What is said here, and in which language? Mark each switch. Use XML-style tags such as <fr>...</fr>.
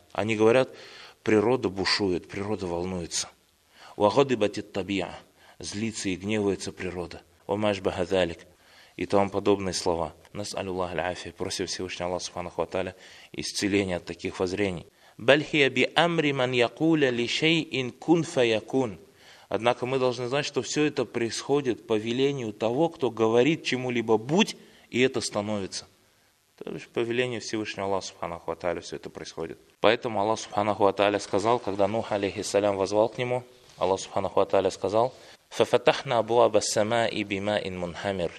<ru>Они говорят, природа бушует, природа волнуется.</ru> <ar>وغضبت الطبيعة,</ar> <ru>злится и гневается природа.</ru> <ar>ومشبه ذلك,</ar> <ru>и тому подобные слова.</ru> <ar>نسأل الله العافية,</ar> <ru>просим Всевышний Аллах Субханаху ва Тааля исцеления от таких воззрений.</ru> <ar>بل هي بأمر من يقول لشيء كن فيكون.</ar> <ru>Однако мы должны знать, что все это происходит по велению того, кто говорит чему-либо будь, и это становится. То есть по велению Всевышнего Аллаха Субханаху ва Тааля все это происходит. Поэтому Аллах Субханаху ва Тааля сказал, когда Нух алейхи салям возвал к нему, Аллах Субханаху ва Тааля сказал:</ru> <ar>«Фафатахна абуаба самаи бимаин мунхамир».</ar>